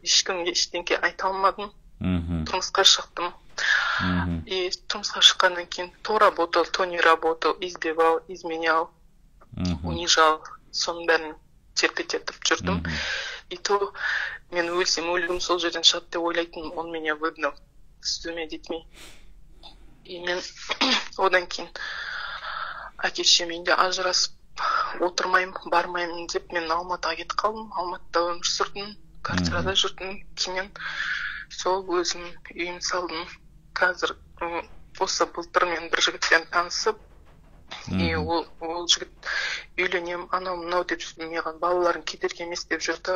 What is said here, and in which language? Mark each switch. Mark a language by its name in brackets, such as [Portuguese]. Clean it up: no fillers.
[Kazakh] Ешкімге ештеңке айта алмадым. Тұрмысқа шықтым. И тұрмысқа шыққаннан кейін [Russian] то работал, то не работал, избивал, изменял, унижал, [Kazakh] соның бәрін терпе тертіп жүрдім. И то мен өлсем өлігім сол жерден шығады деп ойлайтынмын. [Russian] Он меня выгнал с двумя детьми. [Kazakh] И мен одан кейін әке шешеммен де ажырасып отырмаймын, бармаймын деп мен Алматыға кетіп қалдым. Алматыда өмір сүрдім, квартирада жүрдім. Кейін сол өзім үйім салдым. Қазір осы былтыр мен бір жігітпен танысып, и ол жігіт үйленем анау мынау деп маған балаларын кедергі емес деп жүрді.